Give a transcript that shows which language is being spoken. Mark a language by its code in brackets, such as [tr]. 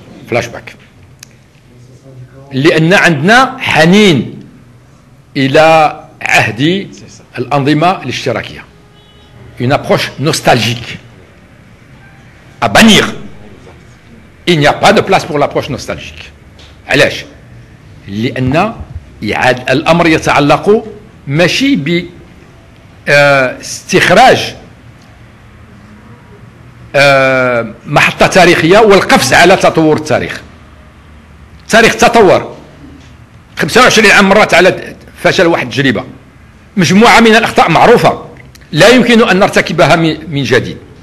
[ar] فلاش باك. لان عندنا حنين الى عهد الانظمه الاشتراكيه، [fr] une approche nostalgique à bannir. Il n'y a pas de place pour l'approche nostalgique. [ar] علاش؟ لان الامر يتعلق ماشي ب استخراج محطه تاريخيه والقفز على تطور التاريخ. التاريخ تطور 25 عام مرات على فشل واحد التجربه، مجموعه من الاخطاء معروفه لا يمكن ان نرتكبها من جديد.